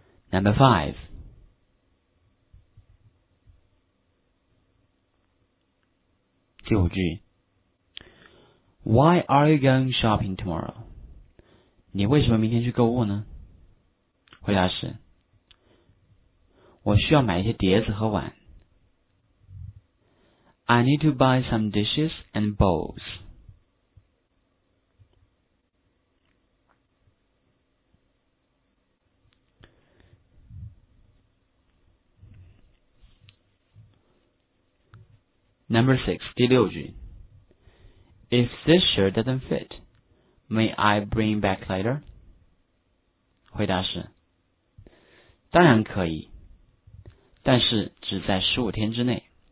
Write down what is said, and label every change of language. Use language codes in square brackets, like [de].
[en] Number five. [zh] 第五句。 [en] Why are you going shopping tomorrow? [zh] 你为什么明天去购物呢？回答是，我需要买一些碟子和碗。 [en] I need to buy some dishes and bowls. Number six, [zh] 第六句。 [en] If this shirt doesn't fit, may I bring back later? [zh] 回答是，当然可以，但是只在15天之内。